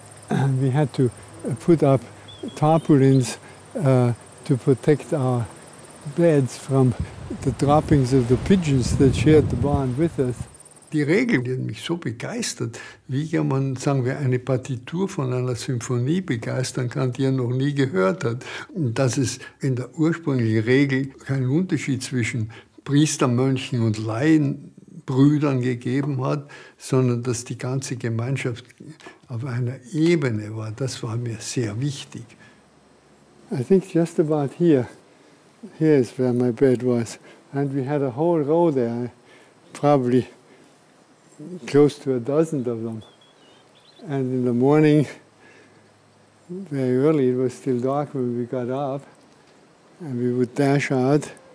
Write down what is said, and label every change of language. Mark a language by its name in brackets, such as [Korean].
[English] And we had to put up tarpaulins to protect our beds from the droppings of the pigeons that shared the barn with us. [German] Die Regeln, die haben mich so begeistert, wie man, sagen wir, eine Partitur von einer Symphonie begeistern kann, die er noch nie gehört hat. Dass es in der ursprünglichen Regel keinen Unterschied zwischen Priestermönchen und Laienbrüdern gegeben hat, sondern dass die ganze Gemeinschaft auf einer Ebene war, das war mir sehr wichtig. [English] I think just about here. Here is where my bed was. And we had a whole row there, probably close to a dozen of them. And in the morning, very early, it was still dark when we got up, and we would dash out.